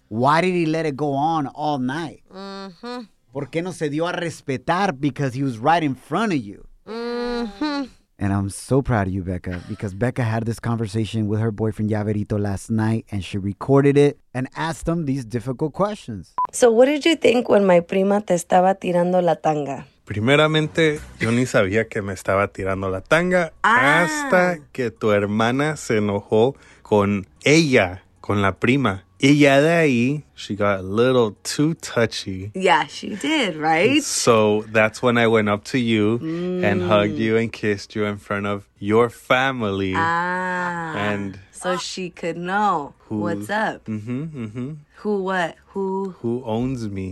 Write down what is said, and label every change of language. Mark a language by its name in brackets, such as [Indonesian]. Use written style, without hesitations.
[English] Why did he let it go on all night? ¿Por qué no se dio a respetar? Because he was right in front of you. And I'm so proud of you, Becca, because Becca had this conversation with her boyfriend, Yaverito, last night, and she recorded it and asked him these difficult questions. So what did you think when my prima te estaba tirando la tanga? [Spanish] Primeramente, yo ni sabía que me estaba tirando la tanga hasta que tu hermana se enojó con ella, con la prima. [English] Y ya de ahí, she got a little too touchy. Yeah, she did, right? So that's when I went up to you and hugged you and kissed you in front of your family. Ah. And so she could know who, what's up. Mm-hmm, mm-hmm. Who what? Who? Who owns me.